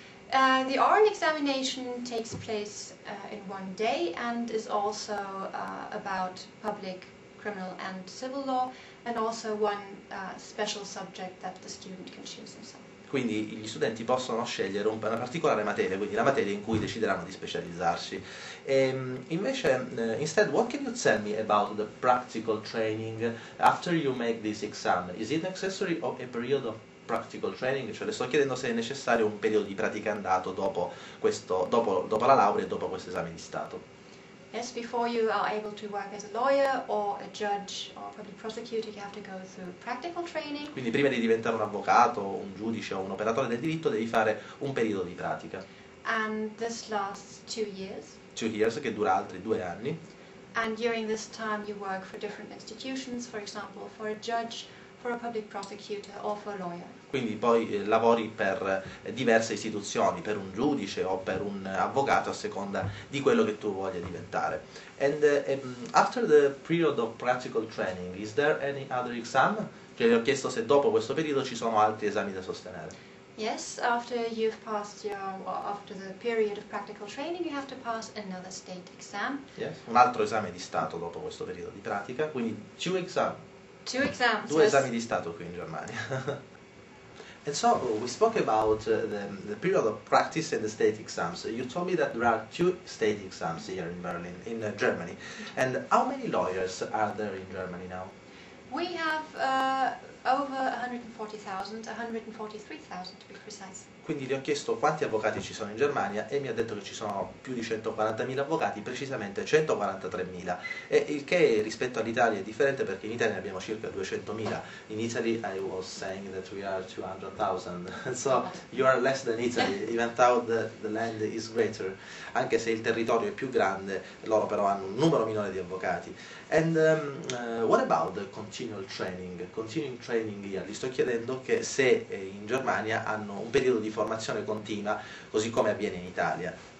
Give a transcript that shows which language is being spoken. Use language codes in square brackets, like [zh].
[en] The oral examination takes place in one day and is also about public, criminal and civil law, and also one special subject that the student can choose himself. [it] Quindi gli studenti possono scegliere una particolare materia, quindi la materia in cui decideranno di specializzarsi. E invece, [en] instead, what can you tell me about the practical training after you make this exam? Is it necessary or a period of practical training? [it] Cioè, le sto chiedendo se è necessario un periodo di pratica andato dopo la laurea e dopo questo esame di Stato. [en] Yes, before you are able to work as a lawyer or a judge or public prosecutor, you have to go through practical training. [it] Quindi prima di diventare un avvocato, un giudice o un operatore del diritto, devi fare un periodo di pratica. [en] And this lasts 2 years. 2 years, [it] che dura altri 2 anni. [en] And during this time you work for different institutions, for example, for a judge, for a public prosecutor or for a lawyer. [it] Quindi poi lavori per diverse istituzioni, per un giudice o per un avvocato, a seconda di quello che tu voglia diventare. [en] And after the period of practical training, is there any other exam? [it] Cioè, le ho chiesto se dopo questo periodo ci sono altri esami da sostenere. [en] Yes, after you've passed your after the period of practical training, you have to pass another state exam. Yes, [it] un altro esame di stato dopo questo periodo di pratica, quindi [en] two exams. Two exams. [it] Due esami di stato qui in Germania. [en] And so we spoke about the period of practice and the state exams. You told me that there are two state exams here in Berlin, in Germany. And how many lawyers are there in Germany now? We have over 140,000, 143,000 to be precise. [it] Quindi le ho chiesto quanti avvocati ci sono in Germania e mi ha detto che ci sono più di 140.000 avvocati, precisamente 143.000. E il che rispetto all'Italia è differente perché in Italia abbiamo circa 200.000. [en] In Italy I was saying that we are 200,000. So you are less than Italy, even though the land is greater. [it] Anche se il territorio è più grande, loro però hanno un numero minore di avvocati. [en] And what about the continual training? Continuing training here. [it] Gli sto chiedendo che se in Germania hanno un periodo di formazione continua, così come avviene in Italia.